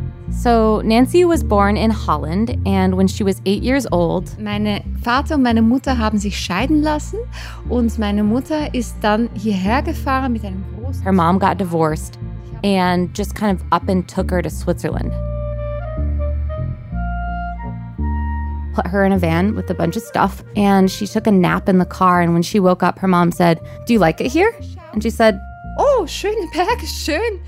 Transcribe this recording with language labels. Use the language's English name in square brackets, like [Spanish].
[English] So Nancy was born in Holland, and when she was 8 years old, [German] meine Vater und meine Mutter haben sich scheiden lassen, und meine Mutter ist dann hierher gefahren mit einem großen. [English] Her mom got divorced, and just kind of up and took her to Switzerland, put her in a van with a bunch of stuff, and she took a nap in the car. And when she woke up, her mom said, "Do you like it here?" And she said, [German] "Oh, schön, Berg, schön."